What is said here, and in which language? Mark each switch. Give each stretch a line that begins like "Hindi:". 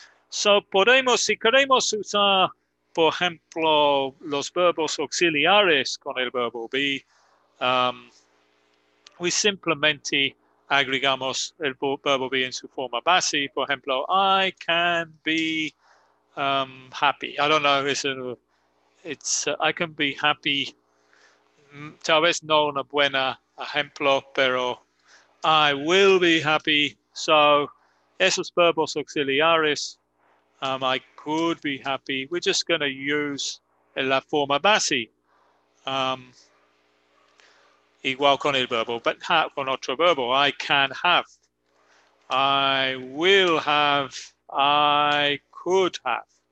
Spanish: So podemos, si queremos usar, por ejemplo, los verbos auxiliares con el verbo be, we simplemente agregamos el verbo be en su forma base. Por ejemplo,
English: I can be happy. I don't know, is it a, it's I can be happy.
Spanish: Tal vez no una buena ejemplo, pero
English: I will be happy. So
Spanish: esos verbos auxiliares,
English: I could be happy. We're just going to use
Spanish: la forma base. Igual con el verbo, but con otro verbo.
English: I can have. I will have. I could have.